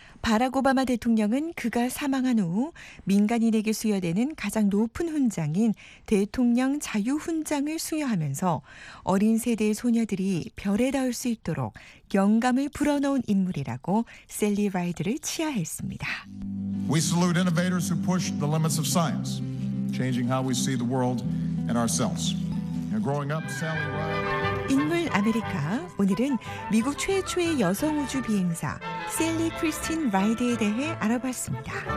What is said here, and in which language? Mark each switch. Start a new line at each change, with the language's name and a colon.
Korean: 바락 오바마 대통령은 그가 사망한 후 민간인에게 수여되는 가장 높은 훈장인 대통령 자유훈장을 수여하면서 어린 세대의 소녀들이 별에 닿을 수 있도록 영감을 불어넣은 인물이라고 샐리 라이드를 치하했습니다.
English: We salute innovators who push the limits of science, changing how we see the world and ourselves. Growing up, Sally Ride.
Korean: 인물 아메리카, 오늘은 미국 최초의 여성 우주 비행사 샐리 크리스틴 라이드에 대해 알아봤습니다.